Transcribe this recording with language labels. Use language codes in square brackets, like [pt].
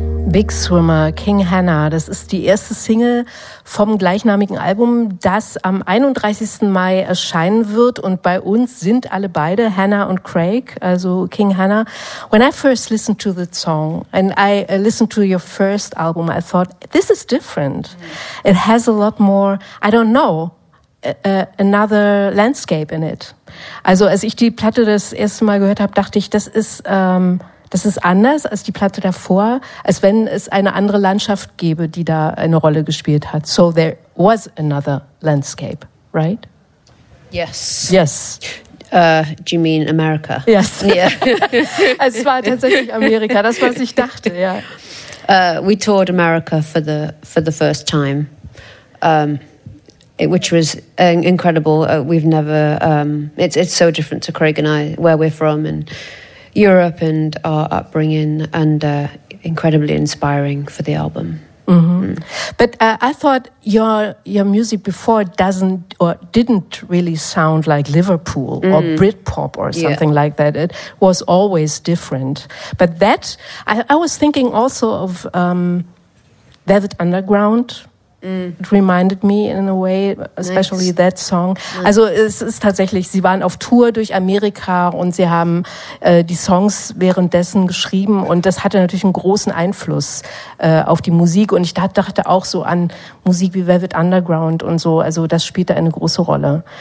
[de] Big Swimmer, King Hannah, das ist die erste Single vom gleichnamigen Album, das am 31. Mai erscheinen wird. Und bei uns sind alle beide, Hannah und Craig, also King Hannah. [en] When I first listened to the song and I listened to your first album, I thought, this is different. It has a lot more, I don't know, another landscape in it. [de] Also als ich die Platte das erste Mal gehört habe, dachte ich, das ist anders als die Platte davor, als wenn es eine andere Landschaft gäbe, die da eine Rolle gespielt hat. [en] So there was another landscape, right? Yes. Yes. Do you mean America? Yes. Yeah. [de] Es war tatsächlich Amerika, das was ich dachte, ja. [en] We toured America for the first time, which was incredible. We've never, it's so different to Craig and I, where we're from and Europe and our upbringing, and incredibly inspiring for the album. Mm-hmm. Mm. But I thought your music before didn't really sound like Liverpool or Britpop or something like that. It was always different. But that, I was thinking also of Velvet Underground. It reminded me in a way, especially nice. That song. Mm. [de] Also es ist tatsächlich, sie waren auf Tour durch Amerika und sie haben die Songs währenddessen geschrieben und das hatte natürlich einen großen Einfluss auf die Musik und ich dachte auch so an Musik wie Velvet Underground und so, also das spielt da eine große Rolle.